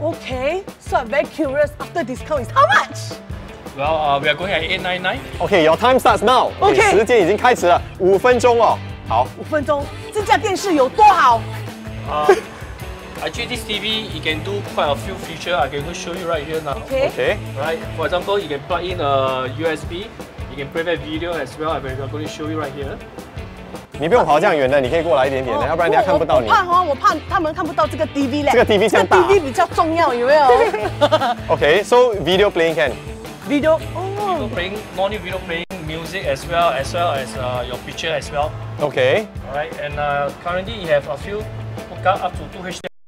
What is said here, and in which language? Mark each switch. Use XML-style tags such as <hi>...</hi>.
<en>Okay, so I'm very curious, after discount is how much? Well, we are going at $899. Okay, your time starts now. Okay.</en> <zh>时间已经开始了，五分钟哦。好。五分钟，这架电视有多好？</zh> <en>Actually, this TV, it can do quite a few features. I can show you right here now. Okay. Right. For example, you can plug in a USB. You can play that video as well. I'm going to show you right here.</en> <zh>你不用跑这样远的，你可以过来一点点的，要不然人家看不到你。我怕他们看不到这个 TV 嘞。这个 TV 像大。这个 TV 比较重要，有没有？</zh> <en>Okay. So video playing can. Video. Video playing. Not only video playing, music as well as your picture as well. Okay. All right. And currently, you have a few hookup up to 2 HDMI.</en>